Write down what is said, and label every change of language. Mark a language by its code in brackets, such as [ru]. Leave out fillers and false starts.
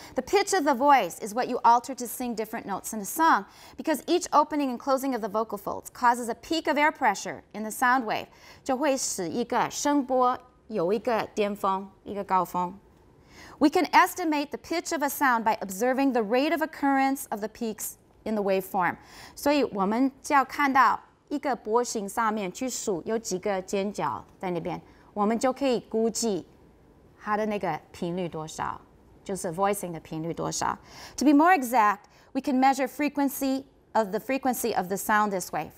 [en] The pitch of the voice is what you alter to sing different notes in a song, because each opening and closing of the vocal folds causes a peak of air pressure in the sound wave， [zh] 就会使一个声波有一个巅峰，一个高峰。 [en] We can estimate the pitch of a sound by observing the rate of occurrence of the peaks in the waveform. [zh] 所以我们就要看到一个波形上面去数有几个尖角在那边，我们就可以估计它的那个频率多少，就是 voicing 的频率多少。 [en] To be more exact, we can measure the frequency of the sound this way.